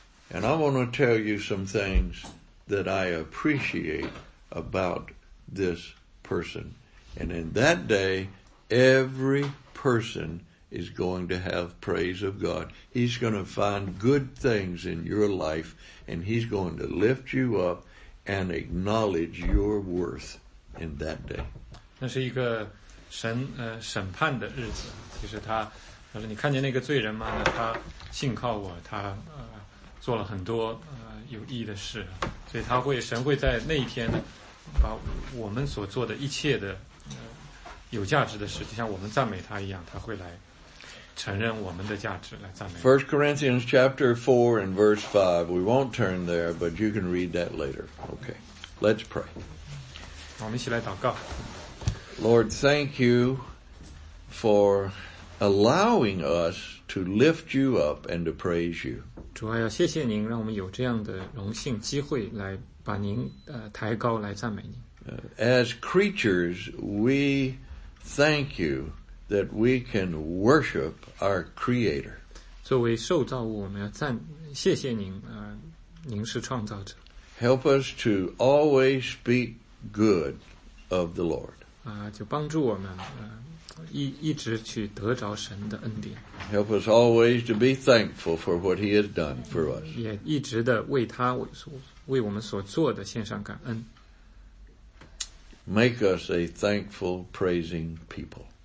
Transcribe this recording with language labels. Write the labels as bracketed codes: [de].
[en] And I want to tell you some things that I appreciate about this person. And in that day, every person is going to have praise of God. He's going to find good things in your life, and he's going to lift you up and acknowledge your worth in that day. [zh] 那是一个神审判的日子。其实他说你看见那个罪人吗？他信靠我，他做了很多有益的事，所以他会神会在那一天呢，把我们所做的一切的有价值的事，就像我们赞美他一样，他会来承认我们的价值，来赞美。 [en] First Corinthians chapter 4 and verse 5. We won't turn there, but you can read that later. Okay, let's pray. [zh] 我们一起来祷告。 [en] Lord, thank you for allowing us to lift you up and to praise you. [zh] 主啊，要谢谢您，让我们有这样的荣幸机会来把您抬高，来赞美您。 [en] As creatures, we thank you that we can worship our Creator. [zh] 作为受造物，我们要赞谢谢您啊、您是创造者。 [en] Help us to always speak good of the Lord. [zh] 啊、就帮助我们啊、一直去得着神的恩典。 [en] Help us always to be thankful for what He has done for us. [zh] 也一直的为他为我们所做的献上感恩。 [en] Make us a thankful, praising people.